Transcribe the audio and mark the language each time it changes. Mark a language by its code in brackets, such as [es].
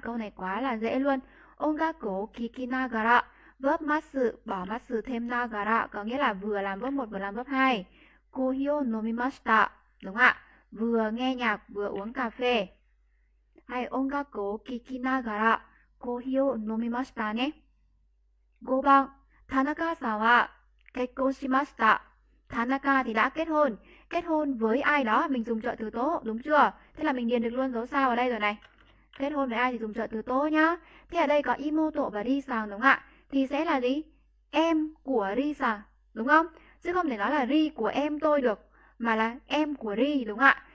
[vi] Câu này quá là dễ luôn. [ja] Ongaku o kiki nagara, [vi] verb masu, bỏ masu thêm nagara, có nghĩa là vừa làm verb 1 vừa làm verb 2. [ja] Kohi o nomimashita, [vi] đúng không ạ? Vừa nghe nhạc, vừa uống cà phê. [ja] Hay ongaku o kiki nagara, コーヒーを飲みましたね。 5番、田中さんは結婚しました。 [vi] 田中 thì đã kết hôn với ai đó mình dùng trợ từ tố đúng chưa? Thế là mình điền được luôn dấu sao vào đây rồi này. Kết hôn với ai thì dùng trợ từ tố nhá. Thế ở đây có imoto và ri sang đúng không ạ? Thì sẽ là gì? Em của ri sang đúng không? Chứ không thể nói là ri của em tôi được, mà là em của ri đúng không ạ?